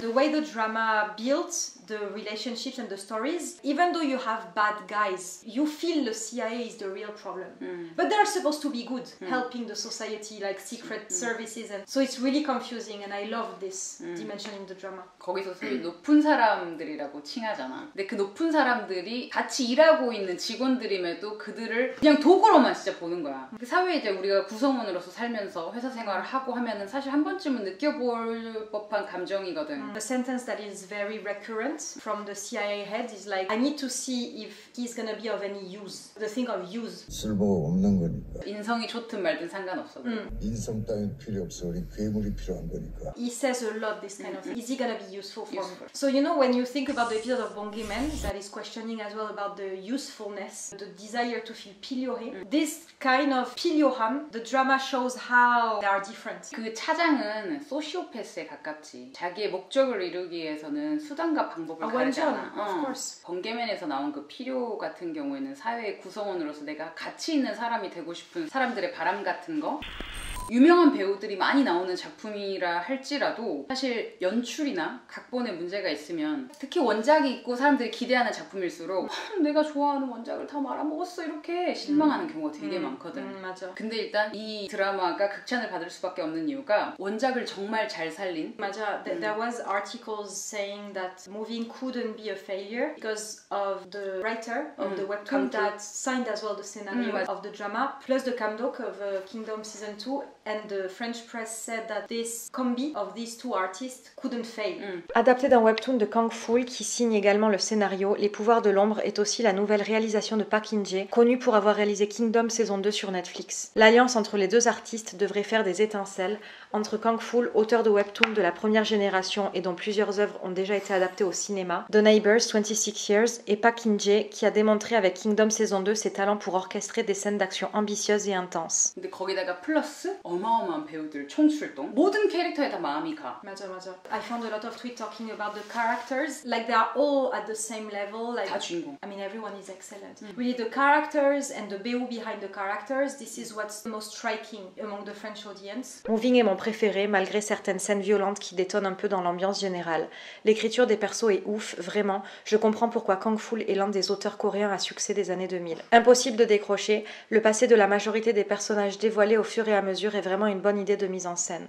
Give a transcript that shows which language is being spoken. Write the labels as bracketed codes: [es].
[en] The way the drama built the relationships and the stories, even though you have bad guys, you feel the CIA is the real problem. But they are supposed to be good, helping the society, like secret services. And so it's really confusing, and I love this dimension in the drama. [ko] 거기서 되게 높은 사람들이라고 칭하잖아. 근데 그 높은 사람들이 같이 일하고 있는 직원들임에도 그들을 그냥 도구로만 진짜 보는 거야. 그 사회에 이제 우리가 구성원으로서 살면서 회사 생활을 하고 하면은 사실 한 번쯤은 느껴볼 법한 감정이거든. [en] The sentence that is very recurrent from the CIA head is like, I need to see if he's gonna be of any use. The thing of use. [ko] 쓸모 없는 거니까. 인성이 좋든 말든 상관없어. 인성 따윈 필요 없어. 우리 괴물이 필요한 거니까. [en] He says a lot this kind of thing. Is he gonna be useful for me? So you know when you think about the episode of Bongiman that is questioning as well about the usefulness, the desire to feel pilyohe. This kind of pilyoham, the drama shows how they are different. [ko] 그 차장은 소시오패스에 가깝지. 자기의 목적을 이루기 위해서는 수단과 방법을 가르잖아. [en] Of course. [ko] 번개맨에서 나온 그 필요 같은 경우에는 사회의 구성원으로서 내가 가치 있는 사람이 되고 싶은 사람들의 바람 같은 거? 유명한 배우들이 많이 나오는 작품이라 할지라도 사실 연출이나 각본에 문제가 있으면 특히 원작이 있고 사람들이 기대하는 작품일수록 내가 좋아하는 원작을 다 말아먹었어 이렇게 실망하는 경우가 되게 많거든. 맞아. 근데 일단 이 드라마가 극찬을 받을 수밖에 없는 이유가 원작을 정말 잘 살린. 맞아. [en] There was articles saying that moving couldn't be a failure because of the writer of the webcom that signed as well the scenario of the drama plus the 감독 of Kingdom Season 2. And the French press said that this combi of these two artists couldn't fail. [fr] Adapté d'un webtoon de Kang Fool qui signe également le scénario, Les Pouvoirs de l'Ombre est aussi la nouvelle réalisation de Park In-jae, connu pour avoir réalisé Kingdom saison 2 sur Netflix. L'alliance entre les deux artistes devrait faire des étincelles entre Kang Fool, auteur de webtoon de la première génération et dont plusieurs œuvres ont déjà été adaptées au cinéma, The Neighbors 26 Years et Park In-jae qui a démontré avec Kingdom saison 2 ses talents pour orchestrer des scènes d'action ambitieuses et intenses. [ko] 근데 거기다가 플러스 어마어마한 배우들 총출동. 모든 캐릭터에 다 마음이 가. 맞아 맞아. [en] I found a lot of tweet talking about the characters. Like they are all at the same level. Like, [ko] 다 주인공. [en] I mean everyone is excellent. Really the characters and the 배우 behind the characters. This is what's most striking among the French audience. [fr] Moving est mon préféré malgré certaines scènes violentes qui détonnent un peu dans l'ambiance générale. L'écriture des persos est ouf, vraiment. Je comprends pourquoi Kang Fool est l'un des auteurs coréens à succès des années 2000. Impossible de décrocher. Le passé de la majorité des personnages dévoilés au fur et à mesure est vraiment une bonne idée de mise en scène.